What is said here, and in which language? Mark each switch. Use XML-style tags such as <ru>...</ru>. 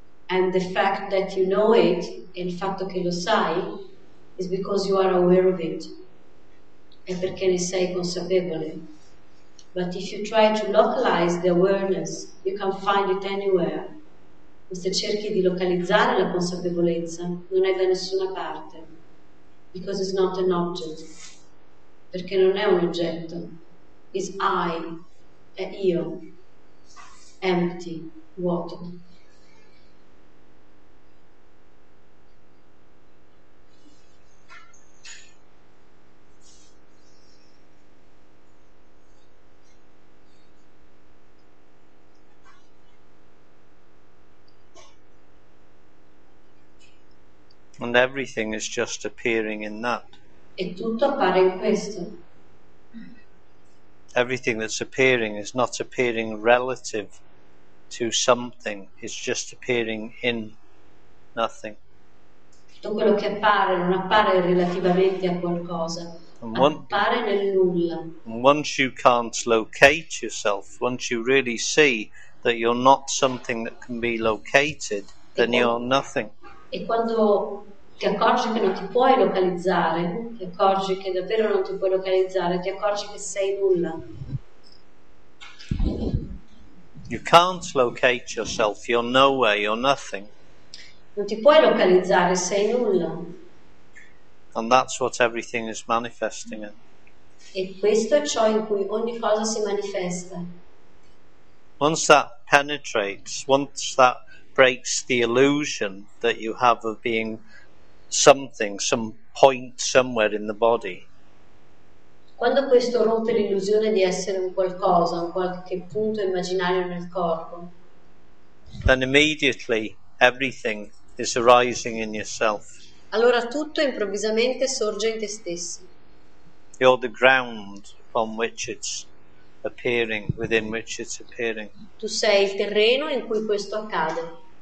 <en>And the fact that you know it,</en> <it>il fatto che lo sai,</it> <en>is because you are aware of it.</en> <it>È perché ne sei consapevole.</it> <en>But if you try to localize the awareness, you can find it anywhere.</en> <it>Se cerchi di localizzare la consapevolezza, non è da nessuna parte.</it> <en>Because it's not an object.</en> <it>Perché non è un oggetto.</it> <en>It's I,</en> <it>è io,</it> <en>empty,</en> <it>vuoto.</it> <en>And everything is just appearing in that.</en> <it>E tutto appare in questo.</it> <en>Everything that's appearing is not appearing relative to something, it's just appearing in nothing.</en> <it>Tutto quello che appare non appare relativamente a qualcosa, appare nel nulla.</it> <en>Once you can't locate yourself, once you really see that you're not something that can be located, then you're nothing.</en> <it>E quando ti accorgi che non ti puoi localizzare, ti accorgi che davvero non ti puoi localizzare, ti accorgi che sei nulla.</it> <en>You can't locate yourself, you're nowhere, you're nothing.</en> <it>Non ti puoi localizzare, sei nulla.</it> <en>And that's what everything is manifesting in.</en> <it>E questo è ciò in cui ogni cosa si manifesta.</it> <en>Once that penetrates, once that breaks the illusion that you have of being something, some point somewhere in the body.</en> <it>Quando questo rompe l'illusione di essere un qualcosa, un qualche punto immaginario nel corpo.</it> <en>Then immediately everything is arising in yourself.</en> <it>Allora tutto improvvisamente sorge in te stessi.</it> <en>You're the ground from which it's appearing, within which it's appearing.</en> <it>Tu sei il terreno in cui questo accade.</it>